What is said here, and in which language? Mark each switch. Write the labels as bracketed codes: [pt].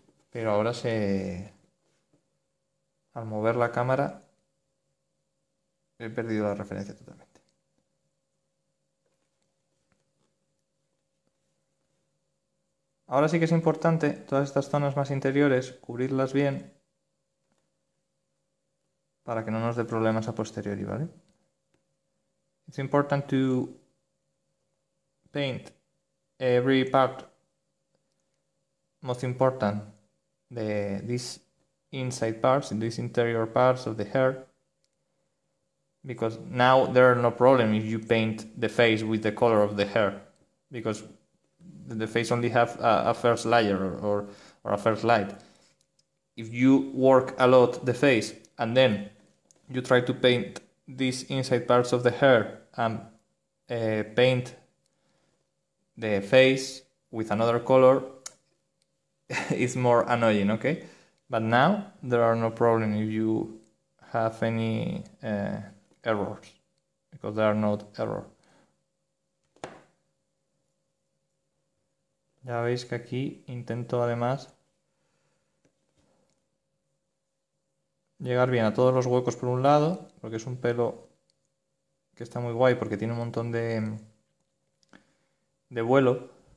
[es] Pero ahora se. Al mover la cámara, he perdido la referencia totalmente. Ahora sí que es importante todas estas zonas más interiores cubrirlas bien para que no nos dé problemas a posteriori, ¿vale? [en] It's important to paint every part most important the these inside parts, these interior parts of the hair, because now there are no problem if you paint the face with the color of the hair, because the face only have a first layer or a first light. If you work a lot the face and then you try to paint these inside parts of the hair and paint the face with another color, it's more annoying, okay? But now there are no problem if you have any errors, because there are no error. [es] Ya veis que aquí intento además llegar bien a todos los huecos por un lado, porque es un pelo que está muy guay, porque tiene un montón de vuelo.